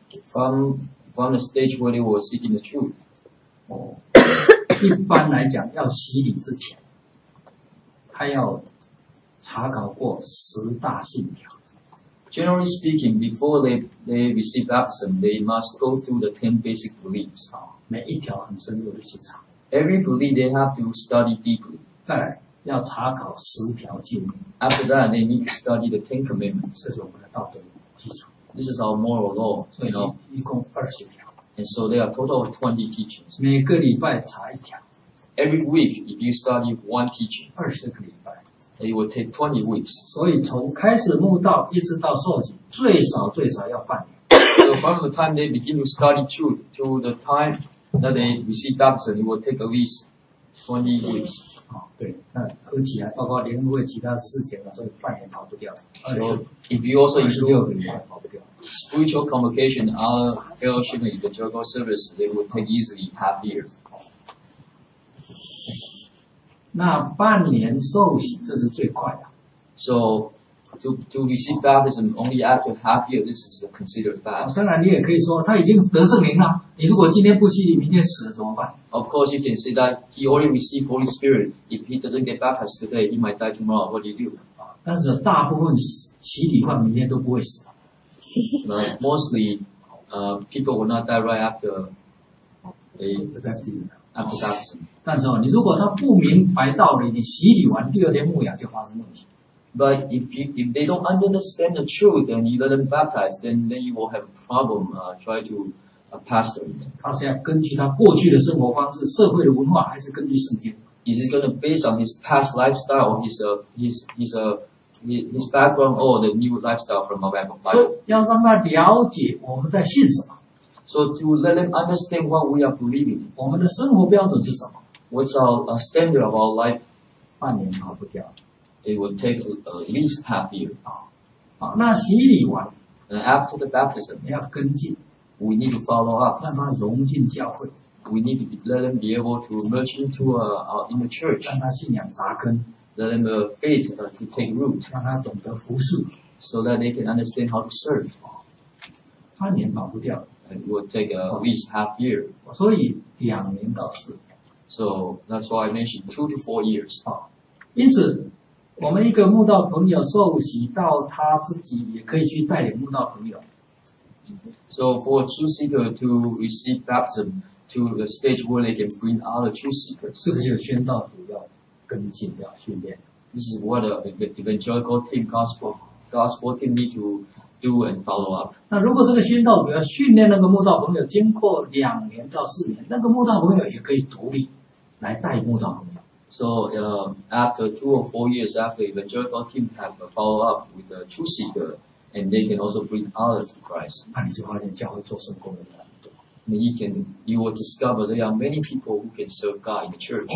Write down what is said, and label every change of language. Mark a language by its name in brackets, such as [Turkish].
[English] From the stage where they were seeking the truth， [Chinese] 一般来讲要洗礼之前他要查考过十大信条。 [English] Generally speaking, before they receive baptism, they must go through the 10 basic beliefs. [Chinese] 每一条很深入的去查。 [English] Every belief they have to study deeply. [Chinese] 再来要查考十条诫命。 [English] After that, they need to study the 10 commandments. [Chinese] 这是我们的道德基础。 [English] This is our moral law. [Chinese] 所以呢一共20条。 [English] And so there are total of 20 teachings. [Chinese] 每个礼拜查一条。 [English] Every week, if you study one teaching, [Chinese] 20个礼拜。 [English] It will take 20 weeks. [Chinese] 所以从开始慕道一直到受洗，最少最少要半年。 [English] So from the time they begin to study truth to the time that they receive baptism, it will take at least 20 weeks. [Chinese] 对，那而且包括连会其他事情啊，所以半年跑不掉。 [English] So if you also include [Chinese] 26个礼拜跑不掉。 [English] Spiritual convocation, our fellowship in the Jago service, they will take easily half years. [Chinese] 那半年受洗这是最快的。 [English] So, to receive baptism only after half year, this is considered fast. [Chinese] 当然你也可以说他已经得圣灵了，你如果今天不洗礼明天死了怎么办？ [English] Of course you can say that he already received Holy Spirit. If he doesn't get baptized today, he might die tomorrow. What do you do? [Chinese] 但是大部分洗礼的话明天都不会死。 [English] Mostly, people will not die right after baptism. [Chinese] 但是、哦、你如果他不明白道理，你洗礼完第二天牧养就发生问题。 [English] But if they don't understand the truth, and you let them baptize, then you will have a problem. Try to pastor. [Chinese] 他是要根据他过去的生活方式、社会的文化，还是根据圣经 [English] ？Is it going to base on his past lifestyle, his background, or the new lifestyle from our Bible? [Chinese] 所以要让他了解我们在信什么。 [English] So to let them understand what we are believing. [Chinese] 我们的生活标准是什么？ [English] What's our standard of our life? [Chinese] 半年跑不掉。 [English] It will take at least half year. [Chinese] 那洗礼完 [English] after the baptism, [Chinese] 要跟进。 [English] We need to follow up. [Chinese] 让他融进教会。 [English] We need to let them be able to merge into in the church. [Chinese] 让他信仰扎根。 [English] Let them faith to take root. [Chinese] 让他懂得服事。 [English] So that they can understand how to serve. [Chinese] 半年跑不掉。 [English] It will take at least half year. [Chinese] 所以两年到四年。 [English] So that's why I mentioned 2 to 4 years. [Chinese] 因此我们一个慕道朋友受洗到他自己也可以去带领慕道朋友。 [English] So for a true seeker to receive baptism to the stage where they can bring other true seekers. [Chinese] 这个就是宣道主要跟进要训练。 [English] This is what an evangelical team, gospel team need to do and follow up. [Chinese] 那如果这个宣道主要训练那个慕道朋友经过两年到四年那个慕道朋友也可以独立。来带慕道朋友。 [English] So, after 2 or 4 years after evangelical team have a follow up with the true seeker, and they can also bring others to Christ. [Chinese] 那你就发现教会做圣工的人很多。 [English] Then you will discover there are many people who can serve God in the church.